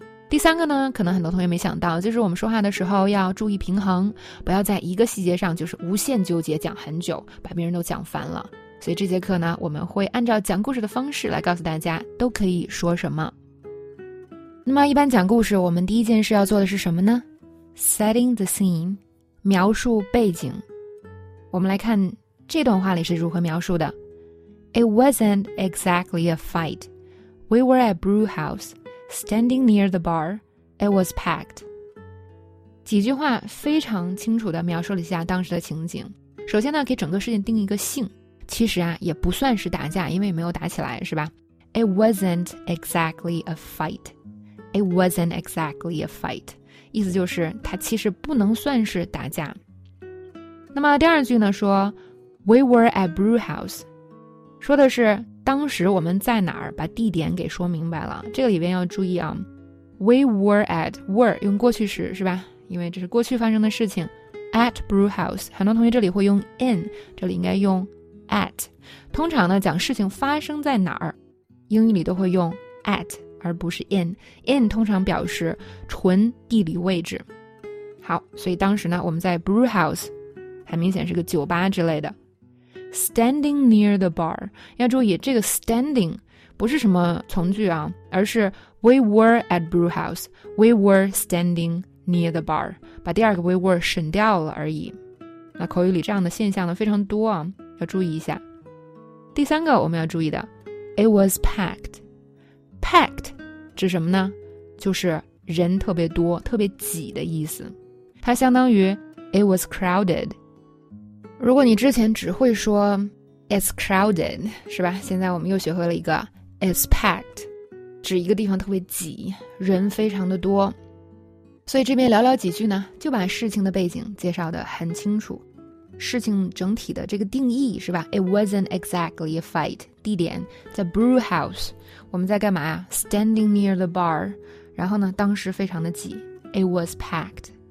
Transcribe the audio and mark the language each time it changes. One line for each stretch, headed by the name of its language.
Chinese: 第三个呢，可能很多同学没想到，就是我们说话的时候要注意平衡，不要在一个细节上就是无限纠结讲很久，把别人都讲烦了。所以这节课呢，我们会按照讲故事的方式来告诉大家都可以说什么。那么一般讲故事，我们第一件事要做的是什么呢？
English: Setting the scene，
Chinese: 描述背景。我们来看这段话里是如何描述的。
English: It wasn't exactly a fight. We were at brew house, standing near the bar. It was packed.
Chinese: 几句话非常清楚地描述了一下当时的情景。首先呢，给整个事件定一个性，其实啊，也不算是打架，因为没有打起来，是吧？
English: It wasn't exactly a fight. It wasn't exactly a fight.
Chinese: 意思就是，它其实不能算是打架。那么第二句呢，说
English: We were at brew house.
Chinese: 说的是，当时我们在哪儿，把地点给说明白了。这个里边要注意啊，
English: We were at, were,
Chinese: 用过去时，是吧？因为这是过去发生的事情。
English: At brew house,
Chinese: 很多同学这里会用 in, 这里应该用at， 通常呢讲事情发生在哪儿，英语里都会用 at 而不是 in。 in 通常表示纯地理位置。好，所以当时呢我们在 brew house， 很明显是个酒吧之类的。
English: standing near the bar，
Chinese: 要注意这个 standing 不是什么从句啊，而是
English: we were at brew house， we were standing near the bar，
Chinese: 把第二个 we were 省掉了而已。那口语里这样的现象呢非常多啊，要注意一下。第三个我们要注意的，
English: It was packed.
Chinese: Packed 指什么呢？就是人特别多特别挤的意思，它相当于
English: It was crowded.
Chinese: 如果你之前只会说
English: It's crowded，
Chinese: 是吧？现在我们又学会了一个
English: It's packed，
Chinese: 指一个地方特别挤，人非常的多。所以这边聊聊几句呢，就把事情的背景介绍得很清楚，事情整体的这个定义，是吧？
English: It wasn't exactly a fight.
Chinese: 地点在
English: brew house.
Chinese: 我们在干嘛？
English: Standing near the bar.
Chinese: 然后呢，当时非常的挤。
English: It was packed.